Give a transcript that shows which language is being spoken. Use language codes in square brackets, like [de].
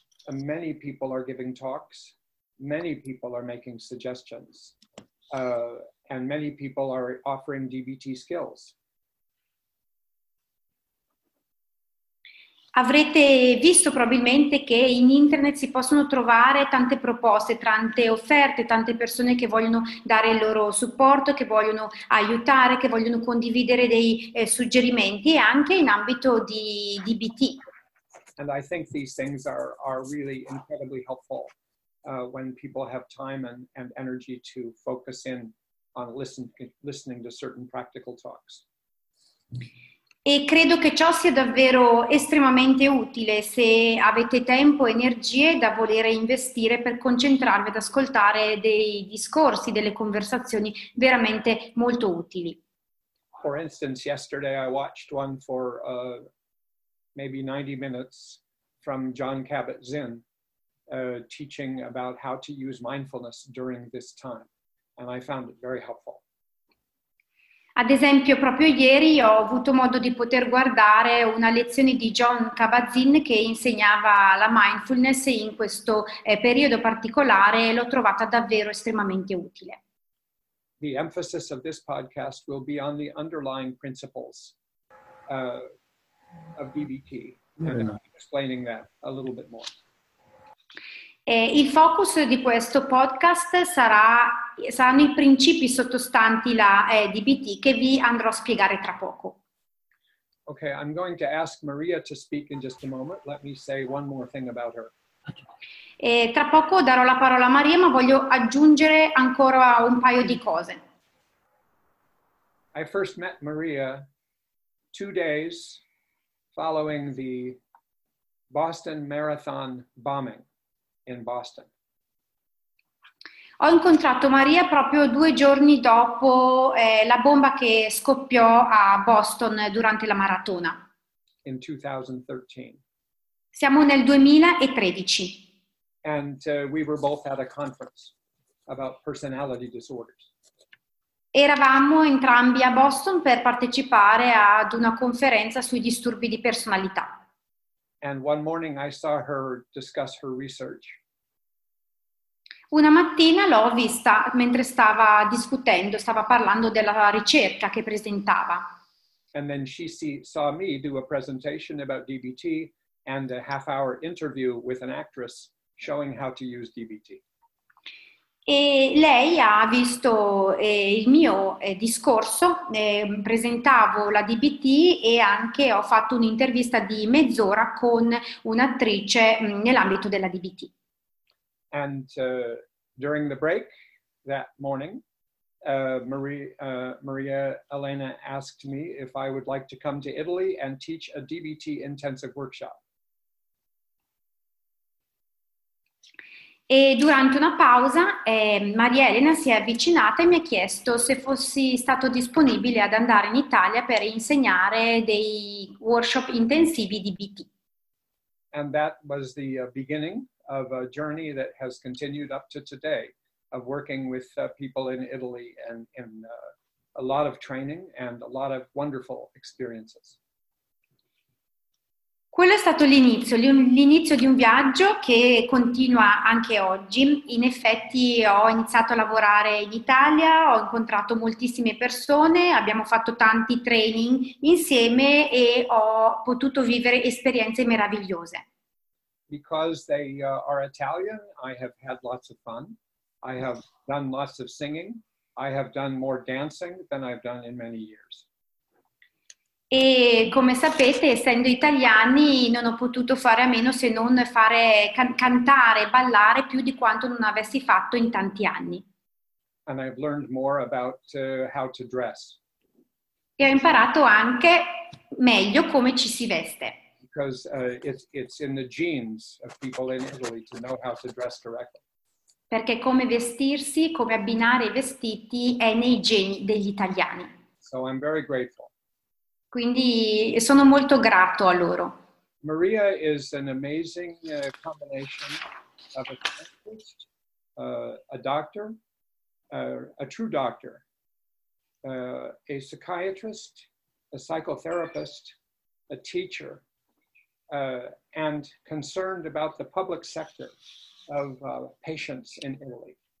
[en] Many people are giving talks, many people are making suggestions, and many people are offering DBT skills. [it] Avrete visto probabilmente che in internet si possono trovare tante proposte, tante offerte, tante persone che vogliono dare il loro supporto, che vogliono aiutare, che vogliono condividere dei suggerimenti anche in ambito di DBT. [en] And I think these things are really incredibly helpful when people have time and energy to focus in on listening to certain practical talks. [it] E credo che ciò sia davvero estremamente utile se avete tempo e energie da volere investire per concentrarvi ad ascoltare dei discorsi, delle conversazioni veramente molto utili. [en] For instance, yesterday I watched one for maybe 90 minutes from Jon Kabat-Zinn teaching about how to use mindfulness during this time. And I found it very helpful. [it] Ad esempio, proprio ieri ho avuto modo di poter guardare una lezione di Jon Kabat-Zinn che insegnava la mindfulness in questo periodo particolare e l'ho trovata davvero estremamente utile. [en] The emphasis of this podcast will be on the underlying principles of DBT, and explaining that a little bit more. [it] Il focus di questo podcast sarà saranno i principi sottostanti la DBT che vi andrò a spiegare tra poco. [en] Okay, I'm going to ask Maria to speak in just a moment. Let me say one more thing about her. [it] E tra poco darò la parola a Maria, ma voglio aggiungere ancora un paio di cose. [en] I first met Maria 2 days following the Boston Marathon bombing in Boston. [it] Ho incontrato Maria proprio 2 giorni dopo la bomba che scoppiò a Boston durante la maratona. [en] In 2013. [it] Siamo nel 2013. [en] And we were both at a conference about personality disorders. [it] Eravamo entrambi a Boston per partecipare ad una conferenza sui disturbi di personalità. [en] And one morning I saw her discuss her research. [it] Una mattina l'ho vista mentre stava discutendo, stava parlando della ricerca che presentava. [en] And then she saw me do a presentation about DBT and a half hour interview with an actress showing how to use DBT. [it] E lei ha visto il mio discorso, presentavo la DBT e anche ho fatto un'intervista di mezz'ora con un'attrice nell'ambito della DBT. [en] And during the break that morning, Maria Elena asked me if I would like to come to Italy and teach a DBT intensive workshop. [it] E durante una pausa Maria Elena si è avvicinata e mi ha chiesto se fossi stato disponibile ad andare in Italia per insegnare dei workshop intensivi di BT. [en] And that was the beginning of a journey that has continued up to today of working with people in Italy and in a lot of training and a lot of wonderful experiences. [it] Quello è stato l'inizio di un viaggio che continua anche oggi. In effetti ho iniziato a lavorare in Italia, ho incontrato moltissime persone, abbiamo fatto tanti training insieme e ho potuto vivere esperienze meravigliose. [en] Because they are Italian, I have had lots of fun. I have done lots of singing. I have done more dancing than I've done in many years. [it] E come sapete, essendo italiani, non ho potuto fare a meno se non fare cantare, ballare più di quanto non avessi fatto in tanti anni. [en] And I've learned more about how to dress. [it] E ho imparato anche meglio come ci si veste. [en] Because it's in the genes of people in Italy to know how to dress correctly. [it] Perché come vestirsi, come abbinare i vestiti è nei geni degli italiani. [en] So I'm very grateful. [it] Quindi sono molto grato a loro. [en] Maria is an amazing combination of a scientist, a doctor, a true doctor, a psychiatrist, a psychotherapist, a teacher, and concerned about the public sector of patients in Italy.